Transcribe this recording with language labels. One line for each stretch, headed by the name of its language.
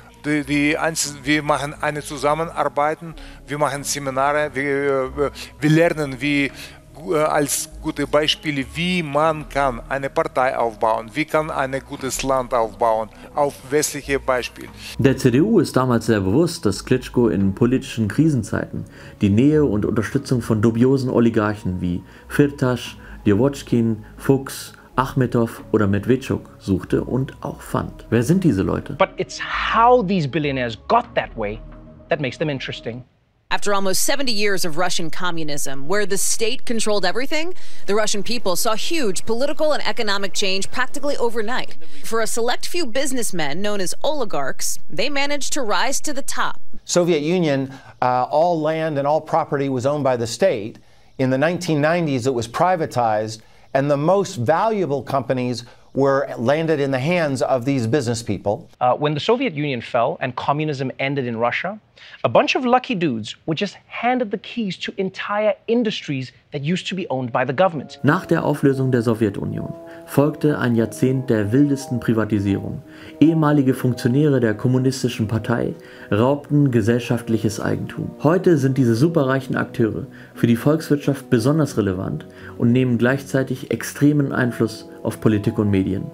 German: Wir machen eine Zusammenarbeit, wir machen Seminare, wir lernen wie, als gute Beispiele, wie man kann eine Partei aufbauen, wie kann ein gutes Land aufbauen, auf westliche Beispiele. Der CDU ist damals sehr bewusst, dass Klitschko in politischen Krisenzeiten die Nähe und Unterstützung von dubiosen Oligarchen wie Firtasch, Djewotschkin, Fuchs, Achmetow oder Medvedchuk suchte und auch fand. Wer sind diese Leute?
English: But it's how these billionaires got that way that makes them interesting. After almost 70 years of Russian communism, where the state controlled everything, the Russian people saw huge political and economic change practically overnight. For a select few businessmen known as oligarchs, they managed to rise to the top. Soviet Union, all land and all property was owned by the state. In the 1990s, it was privatized. And the most valuable companies were landed in the hands of these business people. When the Soviet Union fell and communism ended in Russia, A bunch of lucky dudes were just handed the keys to entire industries that used to be owned by the government.
German: Nach der Auflösung der Sowjetunion folgte ein Jahrzehnt der wildesten Privatisierung. Ehemalige Funktionäre der kommunistischen Partei raubten gesellschaftliches Eigentum. Heute sind diese superreichen Akteure für die Volkswirtschaft besonders relevant und nehmen gleichzeitig extremen Einfluss auf Politik und Medien.